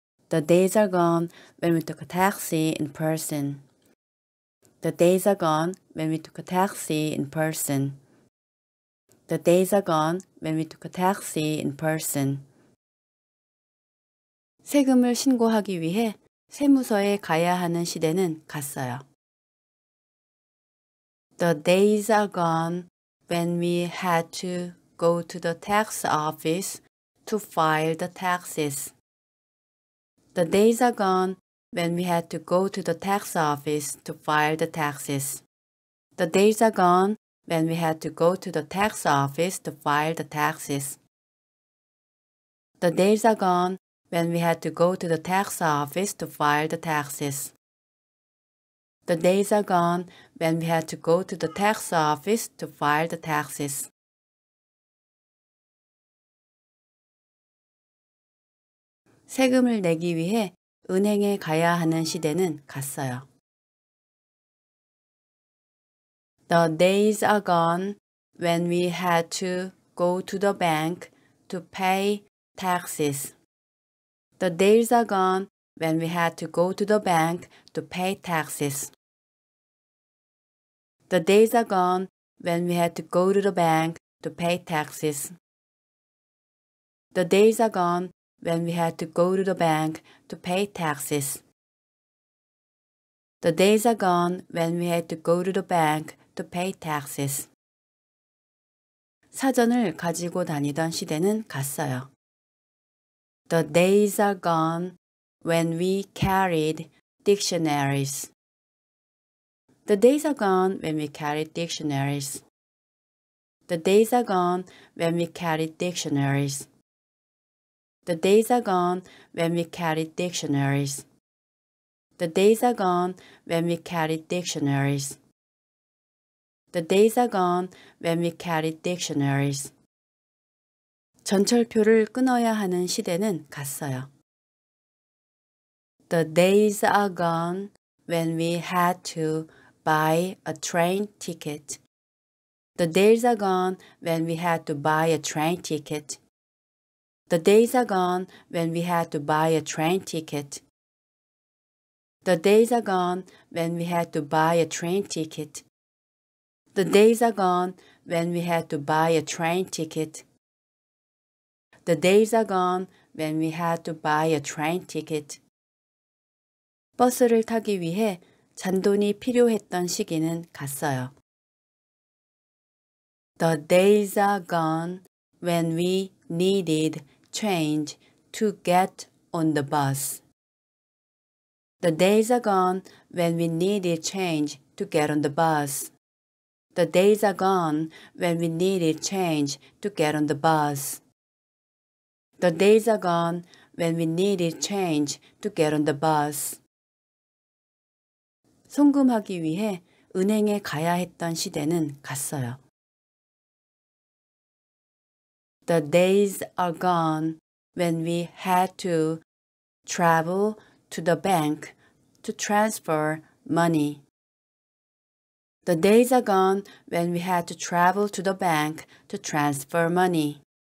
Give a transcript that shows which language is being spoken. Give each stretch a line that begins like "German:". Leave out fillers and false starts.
English: The days are gone when we took a taxi in person. The days are gone when we took a taxi in person. The days are gone when we took a taxi in person.
Korean: 세금을 신고하기 위해 세무서에 가야 하는 시대는 갔어요.
English: The days are gone when we had to go to the tax office to file the taxes. The days are gone when we had to go to the tax office to file the taxes. The days are gone when we had to go to the tax office to file the taxes. The days are gone when we had to go to the tax office to file the taxes. The days are gone when we had to go to the tax office to file the taxes.
Korean: 세금을 내기 위해 은행에 가야 하는 시대는 갔어요.
English: The days are gone when we had to go to the bank to pay taxes. The days are gone when we had to go to the bank to pay taxes. The days are gone when we had to go to the bank to pay taxes. The days are gone when we had to go to the bank to pay taxes. The days are gone when we had to go to the bank to pay taxes.
Korean: 사전을 가지고 다니던 시대는 갔어요.
English: The days are gone when we carried dictionaries. The days are gone when we carried dictionaries. The days are gone when we carried dictionaries. The days are gone when we carried dictionaries. The days are gone when we carried dictionaries. The days are gone when we carried dictionaries.
Korean: 전철표를 끊어야 하는 시대는 갔어요.
English: The days are gone when we had to buy a train ticket. The days are gone when we had to buy a train ticket. The days are gone when we had to buy a train ticket. The days are gone when we had to buy a train ticket. The days are gone when we had to buy a train ticket. The days are gone when we had to buy a train ticket.
Korean: 버스를 타기 위해 잔돈이 필요했던 시기는 갔어요.
English: The days are gone when we needed change to get on the bus. The days are gone when we needed change to get on the bus. The days are gone when we needed change to get on the bus. The days are gone when we needed change to get on the bus.
Korean: 송금하기 위해 은행에 가야 했던 시대는 갔어요.
English: The days are gone when we had to travel to the bank to transfer money. The days are gone when we had to travel to the bank to transfer money.